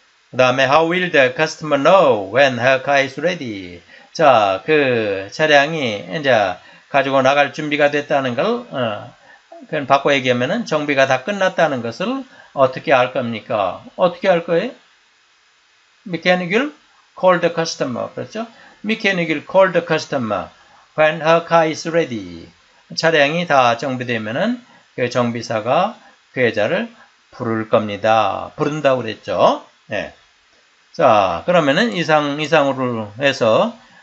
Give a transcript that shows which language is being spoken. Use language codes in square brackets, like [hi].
[ko] 그 다음에 [en] how will the customer know when her car is ready? [ko] 자, 그 차량이 이제 가지고 나갈 준비가 됐다는 걸 그건 바꿔 얘기하면은 정비가 다 끝났다는 것을 어떻게 알 겁니까? 어떻게 알 거예요? [en] Mechanic will call the customer. [ko] 그렇죠? [en] Mechanic will call the customer when her car is ready. [ko] 차량이 다 정비되면은 그 정비사가 그 여자를 부를 겁니다. 부른다고 그랬죠? 예. 자, 그러면은 이상으로 해서